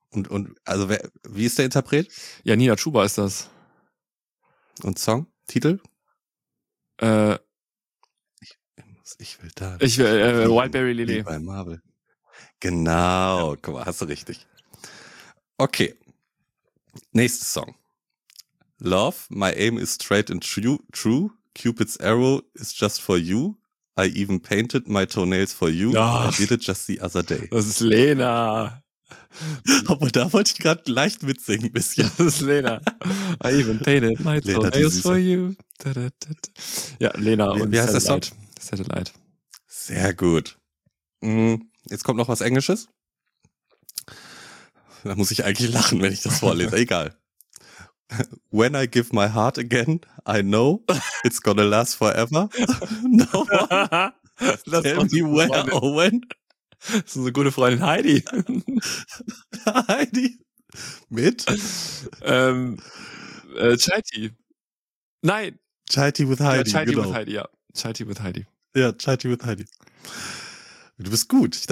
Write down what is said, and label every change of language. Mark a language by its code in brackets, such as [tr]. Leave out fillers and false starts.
[de] Und also wer, wie ist der Interpret? Ja, Nina Chuba ist das. Und Song? Titel? Wildberry Lily. Bei Marvel. Genau, ja. Guck mal, hast du richtig. Okay. Nächster Song. [en] Love, my aim is straight and true. Cupid's arrow is just for you. I even painted my toenails for you. [de] Ach, [en] I did it just the other day. [de] Das ist Lena. Obwohl, da wollte ich gerade leicht mitsingen ein bisschen. Das ist Lena. [en] I even painted my toenails for you. [de] Da, da, da, da. Ja, Lena. Wie heißt das Song? Satellite. Sehr gut. Jetzt kommt noch was Englisches. Da muss ich eigentlich lachen, wenn ich das vorlese. Egal. [en] When I give my heart again, I know it's gonna last forever. No one tell me where or when. [de] Das ist unsere gute Freundin Heidi. Heidi. Mit? Chaiti. Nein. Chaiti with Heidi. Ja, Chaiti with Heidi, ja. Chaiti with Heidi. Ja, Chaiti with Heidi. Du bist gut.